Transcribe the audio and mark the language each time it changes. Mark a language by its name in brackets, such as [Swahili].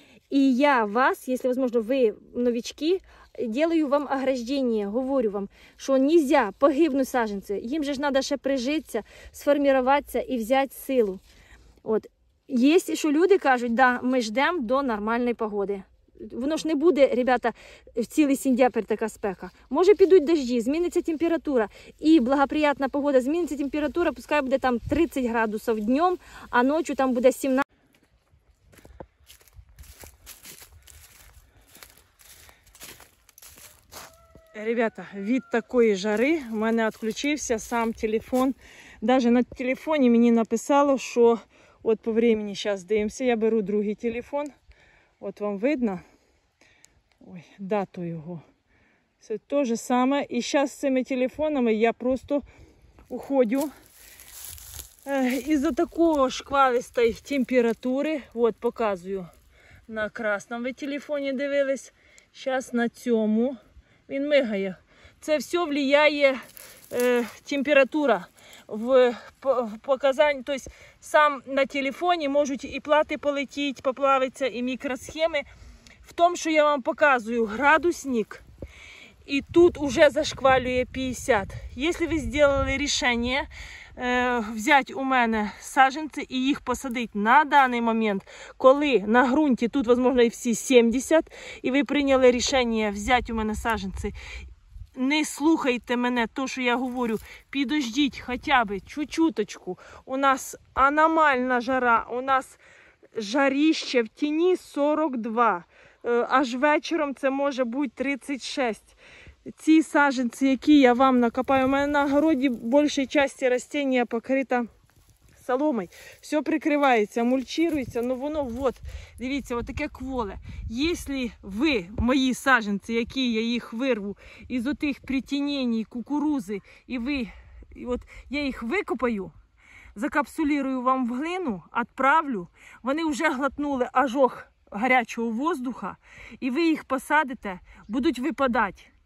[Russian] И я вас, если возможно, вы новички, делаю вам ограждение, говорю вам, что нельзя погибнуть саженцы, им же надо еще прижиться, сформироваться и взять силу. Вот. Есть еще люди, кажуть, да, мы ждем до нормальной погоды. [Ukrainian] Воно ж не буде, ребята, в цілий сентябрь така спека. Може, підуть дожді, зміниться температура. І благоприятна погода, зміниться температура, пускай буде там 30 градусів днем, а ночі там буде 17. Ребята, від такої жари в мене відключився сам телефон. Навіть на телефоні мені написало, що от [Russian] по времени [Ukrainian] зараз дивимося, я беру другий телефон. От вам видно. Ой, дату його. Це то же саме. І зараз з цими телефонами я просто уходю. Із-за такого шквалистої температури, от показую, на красному телефоні дивились. Зараз на цьому. Він мигає. Це все впливає температура. В показанні, тобто сам на телефоні можуть і плати полетіти, поплавитися, і мікросхеми. [Russian] В том, что я вам показываю, градусник, и тут уже зашквалює 50. Если вы сделали решение взять у меня саженцы и их посадить на данный момент, когда на грунте тут, возможно, и все 70, и вы приняли решение взять у меня саженцы, [Ukrainian] не слухайте [Russian] меня, то, что я говорю, подождите хотя бы чуть-чуточку. У нас аномальная жара, у нас жарище в тени 42. [Ukrainian] Аж вечером це може бути 36. Ці саженці, які я вам накопаю, у мене на городі більша частина рослини покрита соломою. Все прикривається, мульчирується, ну воно от, дивіться, от таке кволе. Якщо ви, мої саженці, які я їх вирву із отих притінень кукурузи, і ви, от я їх викопаю, закапсулюю вам в глину, відправлю, вони вже глотнули ожог гарячого воздуха, і ви їх посадите, будуть випадати.